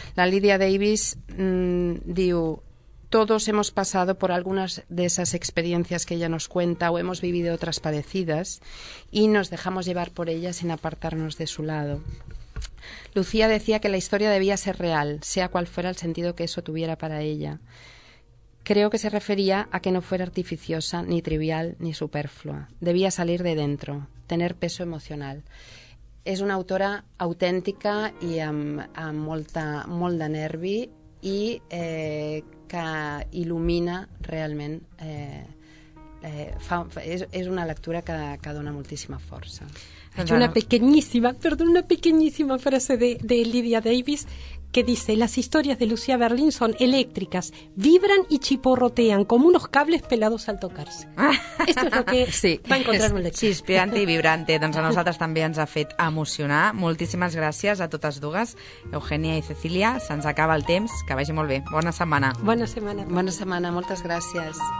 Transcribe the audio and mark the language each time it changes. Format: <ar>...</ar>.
<ca>La Lydia Davis diu:</ca> <es>«Todos hemos pasado por algunas de esas experiencias que ella nos cuenta o hemos vivido otras parecidas y nos dejamos llevar por ellas sin apartarnos de su lado». Lucía decía que la historia debía ser real, sea cual fuera el sentido que eso tuviera para ella. Creo que se refería a que no fuera artificiosa, ni trivial, ni superflua. Debía salir de dentro, tener peso emocional. Es una autora auténtica y</es> <ca>amb molt de nervi</ca> <es>y...</es> <ca>que il·lumina realment, és una lectura que dona moltíssima força.</ca> <es>Hay una pequeñísima, perdón, una pequeñísima frase de Lydia Davis que dice: «Las historias de Lucía Berlín son eléctricas, vibran y chiporrotean como unos cables pelados al tocarse». Esto es lo que sí, va a encontrar un lector. Sí, inspirante y vibrante.</es> <ca>Doncs a nosaltres també ens ha fet emocionar. Moltíssimes gràcies a totes dues, Eugènia i Cecília. Se'ns acaba el temps. Que vagi molt bé. Bona setmana. Bona setmana. Bona setmana. Moltes gràcies.</ca>